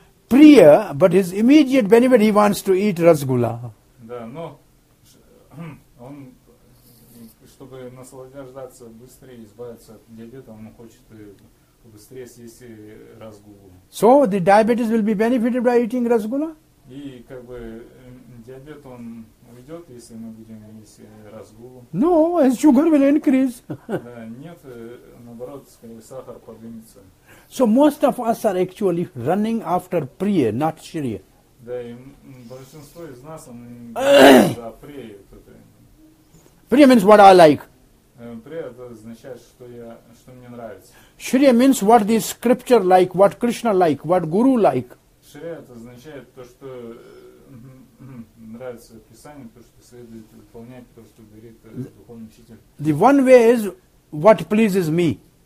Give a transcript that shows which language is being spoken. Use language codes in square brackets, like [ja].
[en] But his immediate benefit, he wants to eat rasgulla. [ru] Да, но он, чтобы наслаждаться быстрее, избавиться от диабета, он хочет быстрее съесть расгуллу. [en] So the diabetes will be benefited by eating rasgulla? [ru] И как бы диабет он уйдет, если мы будем есть разгул. [en] No, his sugar will increase. [ru] Да, нет, наоборот, скорее сахар поднимется. [en] So most of us are actually running after priya, not shriya. [ru] Да, и большинство из нас, они за priya. [en] Priya means what I like. [ru] Priya означает, что мне нравится. [en] Shriya means what the scripture like, what Krishna like, what guru like. [ru] Shriya это означает то, что нравится Писание, то, что следует выполнять, то, что говорит духовный учитель. [en] The one way is what pleases me.